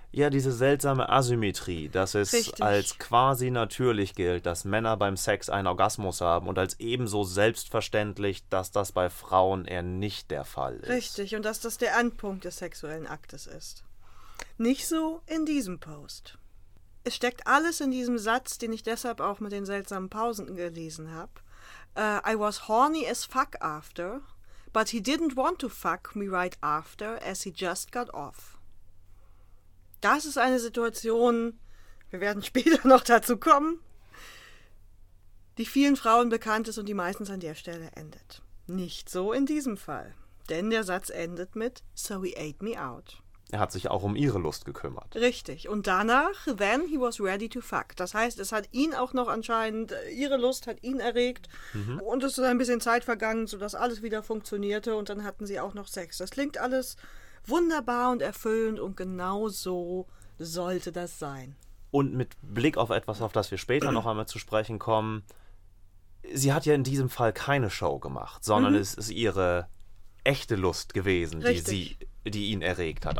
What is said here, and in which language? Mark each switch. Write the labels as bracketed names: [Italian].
[German] Ja, diese seltsame Asymmetrie, dass es als quasi natürlich gilt, dass Männer beim Sex einen Orgasmus haben und als ebenso selbstverständlich, dass das bei Frauen eher nicht der Fall ist. Richtig, und dass das der Endpunkt des sexuellen Aktes ist. Nicht so in diesem Post. Es steckt alles in diesem Satz, den ich deshalb auch mit den seltsamen Pausen gelesen habe. [English] I was horny as fuck after, but he didn't want to fuck me right after, as he just got off. [German] Das ist eine Situation, wir werden später noch dazu kommen, die vielen Frauen bekannt ist und die meistens an der Stelle endet. Nicht so in diesem Fall, denn der Satz endet mit [English] "So he ate me out." [German] Er hat sich auch um ihre Lust gekümmert. Richtig. Und danach [English] "then he was ready to fuck." [German] Das heißt, es hat ihn auch noch anscheinend, ihre Lust hat ihn erregt und es ist ein bisschen Zeit vergangen, sodass alles wieder funktionierte und dann hatten sie auch noch Sex. Das klingt alles wunderbar und erfüllend und genau so sollte das sein. Und mit Blick auf etwas, auf das wir später noch einmal zu sprechen kommen, sie hat ja in diesem Fall keine Show gemacht, sondern es ist ihre echte Lust gewesen, die ihn erregt hat.